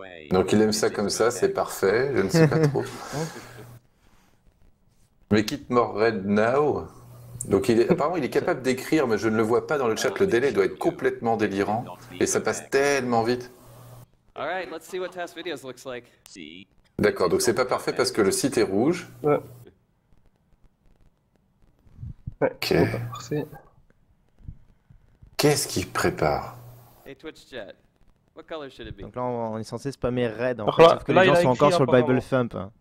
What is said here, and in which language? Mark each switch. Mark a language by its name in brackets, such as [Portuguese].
[French] Donc il aime ça comme ça, c'est parfait, je ne sais pas trop. Mais quitte more red now. Donc apparemment il est capable d'écrire, mais je ne le vois pas dans le chat. Le délai doit être complètement délirant. Et ça passe tellement vite. [English] All right, let's see what test videos looks like. See. [French] D'accord, donc c'est pas parfait parce que le site est rouge. Ouais. Ouais, okay. C'est pas parfait. Qu'est-ce qu'il prépare? [English] Hey Twitch chat, what color should it be? [French] Donc là, on est censé spammer red en fait, sauf que les gens sont encore sur le Bible Thump.